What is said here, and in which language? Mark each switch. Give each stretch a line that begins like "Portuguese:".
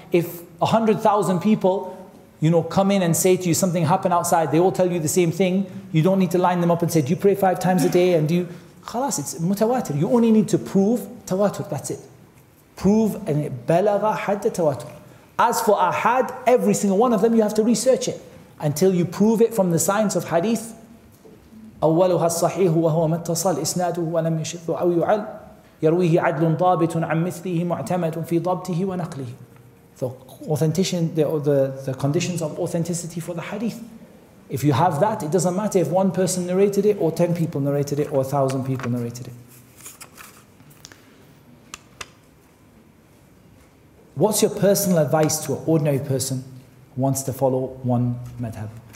English: If 100,000 people, you know, come in and say to you something happened outside, they all tell you the same thing, you don't need to line them up and say, do you pray 5 times a day? And do you, khalas, it's mutawatir. You only need to prove tawatur, that's it. Prove and it balagha hadda tawatur. As for ahad, every single one of them, you have to research it until you prove it from the science of hadith.
Arabic: أولها الصحيح وهو ما اتصل إسناده ولم يشذ أو يعل يرويه عدل ضابط عن مثله معتمد في ضبطه ونقله.
English: The conditions of authenticity for the hadith. If you have that, it doesn't matter if one person narrated it or 10 people narrated it or 1,000 people narrated it. What's your personal advice to an ordinary person who wants to follow one madhab?